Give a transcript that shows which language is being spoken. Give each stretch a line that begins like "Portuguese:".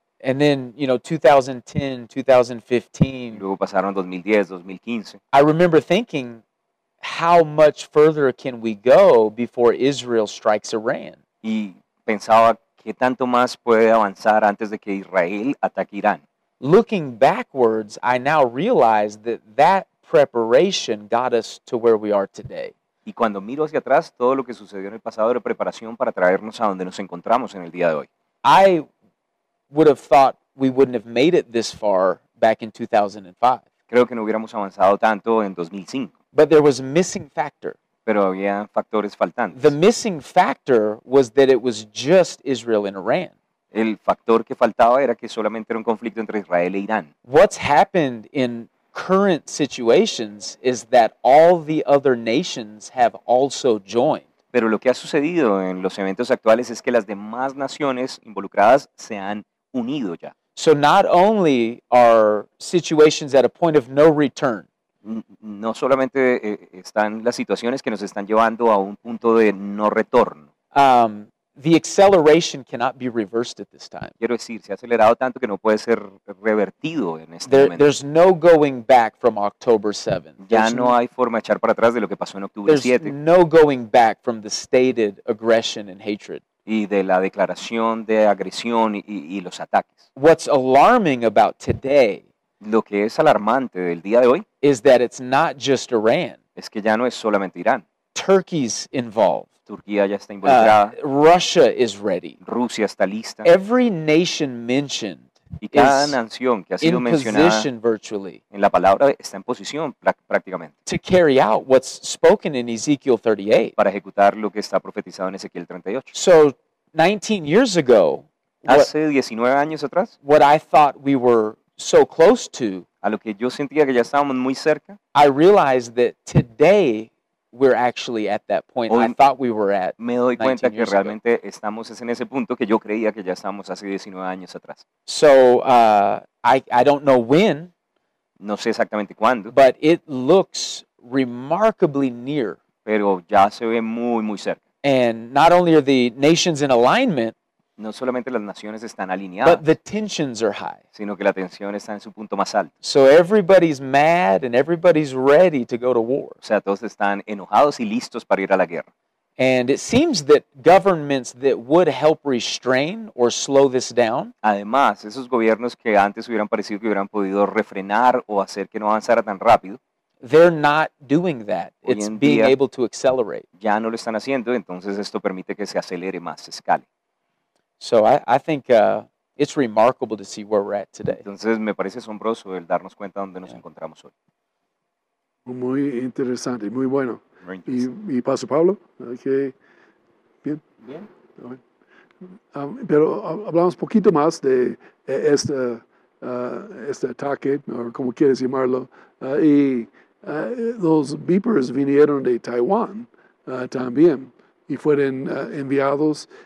English: And then, you know, 2010, 2015.
Spanish: Luego pasaron 2010, 2015.
English: I remember thinking, how much further can we go before Israel strikes Iran?
Spanish: Y pensaba, ¿qué tanto más puede avanzar antes de que Israel ataque Irán?
English: Looking backwards, I now realize that preparation got us to where we are today.
Spanish: Y cuando miro hacia atrás, todo lo que sucedió en el pasado era preparación para traernos a donde nos encontramos en el día de hoy.
English: I would have thought we wouldn't have made it this far back in 2005.
Spanish: Creo que no hubiéramos avanzado tanto en 2005.
English: But there was a missing factor.
Spanish: Pero había factores faltantes.
English: The missing factor was that it was just Israel and Iran.
Spanish: El factor que faltaba era que solamente era un conflicto entre Israel e Irán.
English: What's happened in current situations is that all the other nations have also joined.
Spanish: Pero lo que ha sucedido en los eventos actuales es que las demás naciones involucradas se han unido ya.
English: So not only are situations at a point of no return.
Spanish: No solamente están las situaciones que nos están llevando a un punto de no retorno.
English: The acceleration cannot be reversed at this time.
Spanish: Quiero decir, se ha acelerado tanto que no puede ser revertido en este momento.
English: There's no going back from October 7th.
Spanish: Ya no hay forma de echar para atrás de lo que pasó en octubre 7.
English: There's no going back from the stated aggression and hatred.
Spanish: Y de la declaración de agresión y los ataques.
English: What's alarming about today?
Spanish: Lo que es alarmante del día de hoy
English: is that it's not just Iran.
Spanish: Es que ya no es solamente Irán.
English: Turkey's involved.
Spanish: Turquía ya está involucrada.
English: Russia is ready.
Spanish: Rusia está lista.
English: Every nation mentioned
Spanish: y cada nación que ha sido mencionada
English: virtually
Spanish: en la palabra está en posición prácticamente
English: to carry out what's spoken in Ezekiel 38.
Spanish: Para ejecutar lo que está profetizado en Ezequiel 38.
English: So 19 years ago,
Spanish: hace 19 años atrás,
English: what I thought we were so close to,
Spanish: a lo que yo sentía que ya estábamos muy cerca,
English: I realized that today we're actually at that point
Spanish: hoy
English: I thought we were at.
Spanish: Me doy cuenta que realmente estamos en ese punto que yo creía que ya estábamos hace 19 años atrás.
English: So I don't know when.
Spanish: No sé exactamente cuándo.
English: But it looks remarkably near.
Spanish: Pero ya se ve muy muy cerca.
English: And not only are the nations in alignment,
Spanish: no solamente las naciones están alineadas,
English: but the tensions are high.
Spanish: Sino que la tensión está en su punto más alto.
English: So everybody's mad and everybody's ready to go to war.
Spanish: O sea, todos están enojados y listos para ir a la guerra.
English: And it seems that governments that would help restrain or slow this down,
Spanish: además, esos gobiernos que antes hubieran parecido que hubieran podido refrenar o hacer que no avanzara tan rápido,
English: they're not doing that. It's being able to accelerate.
Spanish: Ya no lo están haciendo, entonces esto permite que se acelere más, se escale.
English: So I think it's remarkable to see where we're at today.
Spanish: Entonces me parece asombroso el darnos cuenta dónde nos encontramos hoy. Muy interesante, muy bueno. Y Pastor Pablo, ¿qué? Bien. Bien. Pero hablamos poquito más de este este ataque, o como quieres llamarlo, y los beepers vinieron de Taiwán también y fueron enviados.